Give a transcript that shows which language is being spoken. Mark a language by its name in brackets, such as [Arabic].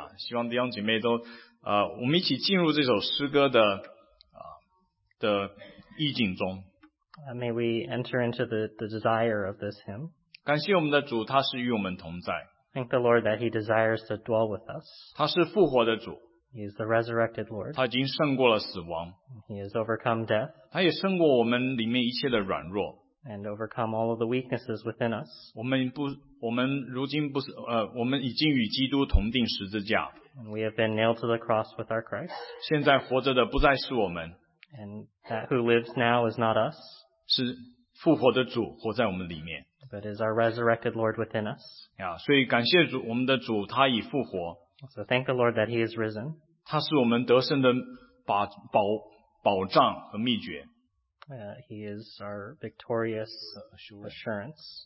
[Chinese] 希望弟兄姐妹都 我们一起进入这首诗歌的意境中。 [English] May we enter into the desire of this hymn. [Chinese] 感谢我们的主, 祂是与我们同在。 [English] Thank the Lord that He desires to dwell with us. [Chinese] 祂是复活的主。 [English] He is the resurrected Lord. [Chinese] 祂已经胜过了死亡。 [English] He has overcome death. [Chinese] 祂也胜过我们里面一切的软弱。 [English] And overcome all of the weaknesses within us. [Chinese] 我们已经与基督同钉十字架。 [English] And we have been nailed to the cross with our Christ. [Chinese] 现在活着的不再是我们。 [English] And that who lives now is not us. [Chinese] 是复活的主活在我们里面。 [English] But is our resurrected Lord within us. [Chinese] 所以感谢主，我们的主他已复活。 [English] So thank the Lord that He is risen. [Chinese] 他是我们得胜的保障和秘诀。 [English] He is our victorious assurance.